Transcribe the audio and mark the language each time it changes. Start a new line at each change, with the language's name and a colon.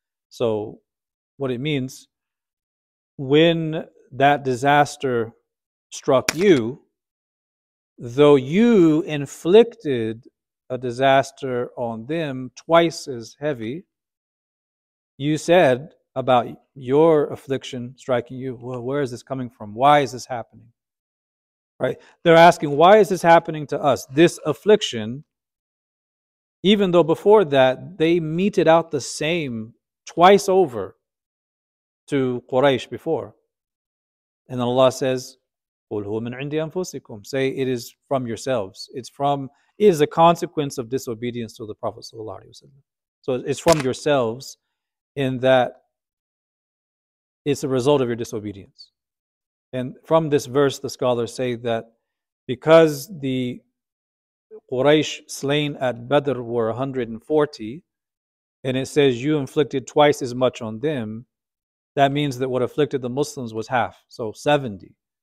English: So what it means, when that disaster struck you, though you inflicted a disaster on them twice as heavy, you said about your affliction striking you, well, where is this coming from? Why is this happening? Right? They're asking, why is this happening to us? This affliction, Even though before that, they meted out the same twice over to Quraysh before. And then Allah says,
Arabic: قُلْ هُوَ مِنْ عِنْدِ أَنفُسِكُمْ.
English: Say, it is from yourselves. It is a consequence of disobedience to the Prophet Sallallahu Alaihi Wasallam. So it's from yourselves in that it's a result of your disobedience. And from this verse, the scholars say that because the Quraysh slain at Badr were 140, and it says you inflicted twice as much on them, that means that what afflicted the Muslims was half, so 70.